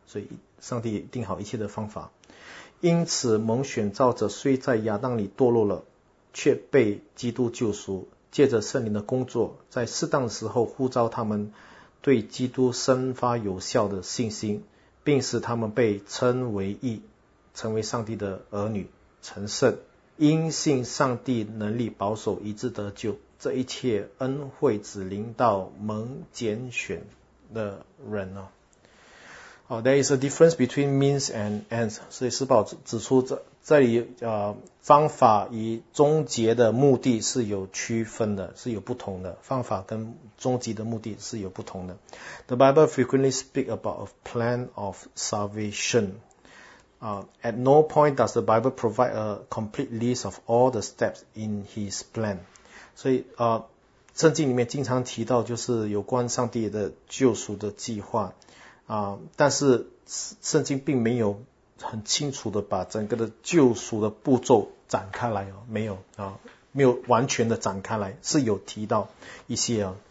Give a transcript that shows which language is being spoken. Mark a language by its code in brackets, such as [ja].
[zh] 所以上帝定好一切的方法。因此蒙选召者虽在亚当里堕落了，却被基督救赎，借着圣灵的工作，在适当的时候呼召他们对基督生发有效的信心，并使他们被称为义，成为上帝的儿女，成圣，因信上帝能力保守以致得救。这一切恩惠只临到蒙拣选的人哦。 [en] Oh, there is a difference between means and ends. [zh] 所以施宝指出这里方法与终结的目的是有区分的，是有不同的。方法跟终极的目的是有不同的。 [en] The Bible frequently speaks about a plan of salvation. At no point does the Bible provide a complete list of all the steps in His plan. [zh] 所以圣经里面经常提到就是有关上帝的救赎的计划。但是圣经并没有很清楚的把整个的救赎的步骤展开来，没有没有完全的展开来，是有提到一些